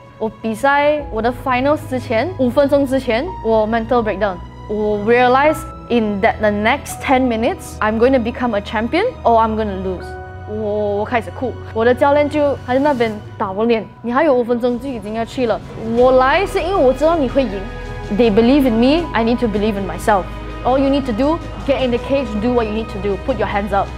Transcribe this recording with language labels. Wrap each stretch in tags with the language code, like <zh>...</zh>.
<zh>我比赛我的</zh> <en>finals</en> <zh>之前5分钟之前我</zh> <en>mental breakdown， 我 realize in that the next 10 minutes I'm going to become a champion or I'm going to lose。</en> <zh>我开始哭，我的教练就还在那边打我脸，你还有5分钟就已经要去了，我来是因为我知道你会赢。</zh> <en>They believe in me, I need to believe in myselfAll you need to do, get in the cage, do what you need to do, put your hands up。</en>